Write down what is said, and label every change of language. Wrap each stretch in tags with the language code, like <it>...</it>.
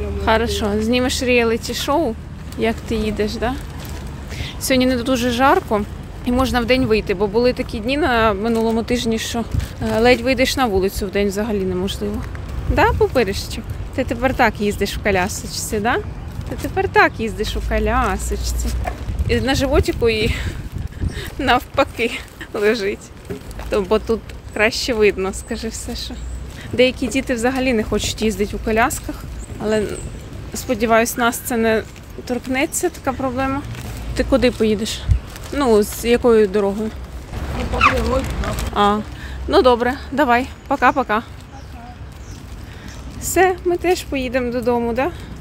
<ru>Хорошо, снимешь реалити-шоу, как ты едешь, да? Сегодня</ru> <uk>не дуже</uk> <ru>жарко, и можно в день выйти,</ru> <uk>бо</uk> <ru>были такие дни</ru> <uk>на минулом тижні,</uk> <ru>что</ru> <uk>ледь</uk> <ru>выйдешь на улицу в день</ru> <uk>взагалі неможливо.</uk> <ru>Да, Пупиришчик? Ты теперь так ездишь в колясочці, да?</ru> <uk>Ти тепер так їздиш у колясочці. І на животику її навпаки лежить. Бо тут краще видно, скажи все, що. Деякі діти взагалі не хочуть їздити у колясках. Але, сподіваюсь, нас це не торкнеться, така проблема. Ти куди поїдеш? Ну, з якою дорогою? Ну, по прямій. А, ну добре, давай, пока-пока.</uk> <ru>Пока.</ru> <uk>Все, ми теж поїдемо додому, так? Да?</uk>